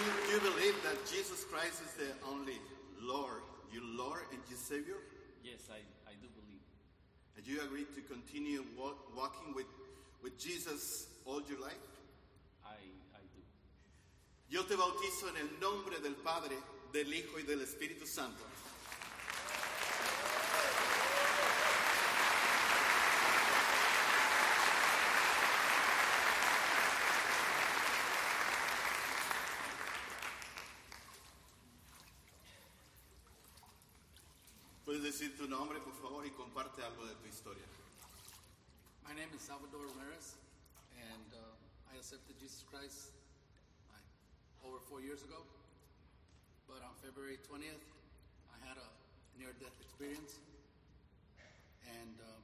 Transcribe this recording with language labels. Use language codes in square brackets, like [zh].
[en] You believe that Jesus Christ is the only Lord, your Lord and your Savior? Yes, I do believe. And you agree to continue walking with Jesus all your life? I do. [es] Yo te bautizo en el nombre del Padre, del Hijo y del Espíritu Santo. ¿Puedes decir tu nombre, por favor, y comparte algo de tu historia? [en] My name is Salvador Ramirez, and I accepted Jesus Christ over 4 years ago, but on February 20th, I had a near-death experience, and